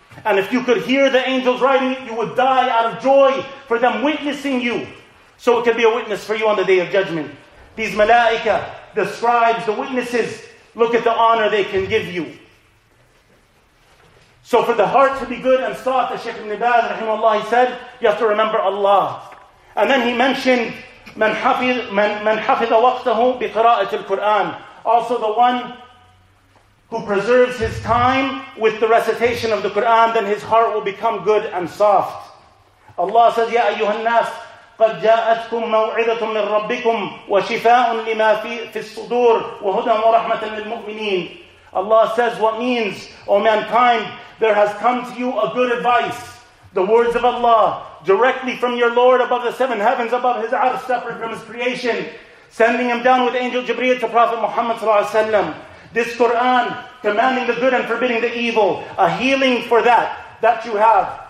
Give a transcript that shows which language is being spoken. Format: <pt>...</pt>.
<en>And if you could hear the angels writing it, you would die out of joy for them witnessing you. So it could be a witness for you on the Day of Judgment. These malaika, the scribes, the witnesses, look at the honor they can give you. So for the heart to be good and soft, the Shaykh Ibn Baz, rahimahullah, he said, you have to remember Allah. And then he mentioned,</en> <ar>من حفظ وقته بقراءة القرآن.</ar> <en>Also the one who preserves his time with the recitation of the Qur'an, then his heart will become good and soft. Allah says,</en> <ar>يَا أَيُّهَا النَّاسِ قَدْ جَاءَتْكُمْ مَوْعِدَةٌ مِّنْ رَبِّكُمْ وَشِفَاءٌ لِمَا فِي الصُّدُورِ وَهُدًى وَرَحْمَةً لِلْمُؤْمِنِينَ.</ar> <en>Allah says, what means, O mankind, there has come to you a good advice. The words of Allah, directly from your Lord above the seven heavens, above his arsh, separate from his creation, sending him down with angel Jibreel to Prophet Muhammad ﷺ. This Qur'an, commanding the good and forbidding the evil, a healing for that you have.</en>